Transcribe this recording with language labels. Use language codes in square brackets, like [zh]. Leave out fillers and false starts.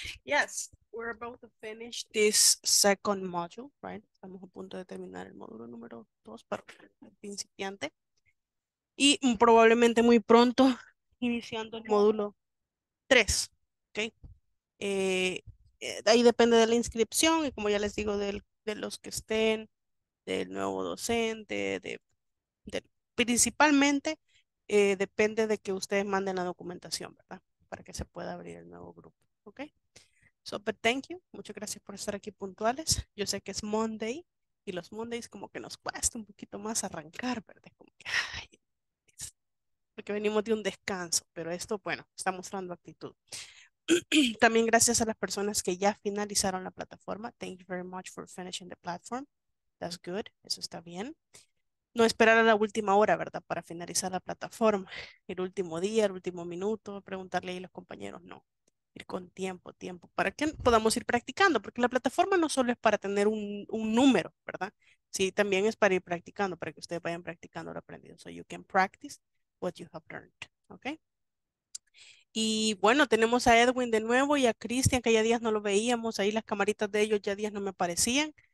[en] Yes, we're about to finish this second module, right? [es] Estamos a punto de terminar el módulo número 2 para el principiante. Y probablemente muy pronto iniciando el módulo 3. Ok. Ahí depende de la inscripción y, como ya les digo, de los que estén, del nuevo docente, de principalmente depende de que ustedes manden la documentación, ¿verdad? Para que se pueda abrir el nuevo grupo. Ok. [en] So, but thank you. [es] Muchas gracias por estar aquí puntuales. Yo sé que es Monday y los Mondays, como que nos cuesta un poquito más arrancar, ¿verdad? Como que, ay, porque venimos de un descanso, pero esto, bueno, está mostrando actitud. También gracias a las personas que ya finalizaron la plataforma. [en] Thank you very much for finishing the platform. That's good. [es] Eso está bien. No esperar a la última hora, ¿verdad? Para finalizar la plataforma. El último día, el último minuto, preguntarle a los compañeros. No. Ir con tiempo, tiempo. Para que podamos ir practicando. Porque la plataforma no solo es para tener un número, ¿verdad? Sí, también es para ir practicando, para que ustedes vayan practicando lo aprendido. [en] So you can practice what you have learned. [es] ¿Ok? Y bueno, tenemos a Edwin de nuevo y a Cristian, que ya días no lo veíamos. Ahí las camaritas de ellos ya días no me aparecían.